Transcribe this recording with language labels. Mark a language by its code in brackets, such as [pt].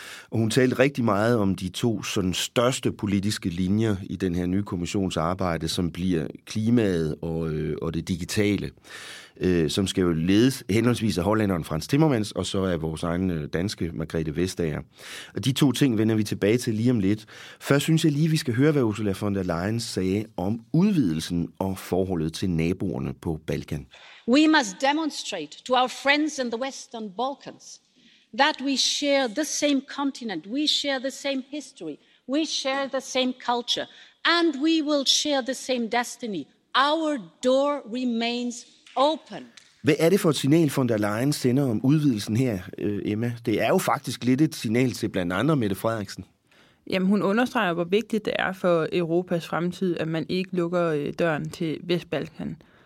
[da] Og hun talte rigtig meget om de to sådan største politiske linjer i den her nye kommissionsarbejde, som bliver klimaet og det digitale, som skal jo ledes henholdsvis af hollænderen Frans Timmermans, og så af vores egen danske Margrethe Vestager. Og de to ting vender vi tilbage til lige om lidt. Først synes jeg lige, vi skal høre, hvad Ursula von der Leyen sagde om udvidelsen og forholdet til naboerne på Balkan. [en] We must demonstrate to our friends in the Western Balkans that we share the same continent, we share the same history, we share the same culture, and we will share the same destiny. Our door remains open. [da] Hvad er det for et signal, von der Leyen sender om udvidelsen her, Emma? Det er jo faktisk lidt et signal til blandt andre Mette Frederiksen. Jamen, hun understreger, hvor vigtigt det er for Europas fremtid, at man ikke lukker døren til Vestbalkan.